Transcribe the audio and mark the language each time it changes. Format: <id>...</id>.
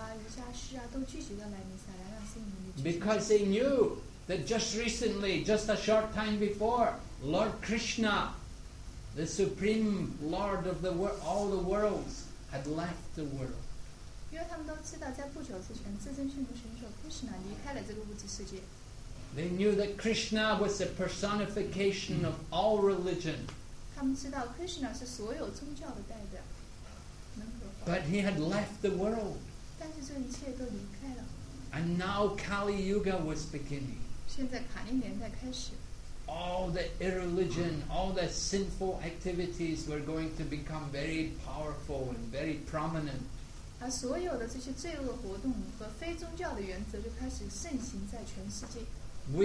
<zh>所以当时世界上有很多地方的这些灵性导师啊、圣哲啊、瑜伽师啊，都聚集在南无萨拉雅僧侣。</zh> <en>Because they knew that just recently, just a short time before, Lord Krishna, the supreme Lord of the all the worlds, had left the world.</en> <zh>因为他们都知道，在不久之前，至尊圣母神手Krishna离开了这个物质世界。</zh> <en>They knew that Krishna was the personification of all religion.</en> <zh>他们知道Krishna是所有宗教的代表。</zh> <en>But he had left the world.</en> <zh>但是这一切都离开了。</zh> <en>And now Kali Yuga was beginning.</en> <zh>现在卡利年代开始。</zh> <en>All the irreligion, all the sinful activities were going to become very powerful and very prominent.</en> <zh>而所有的这些罪恶活动和非宗教的原则就开始盛行在全世界。</zh> <en>We</en>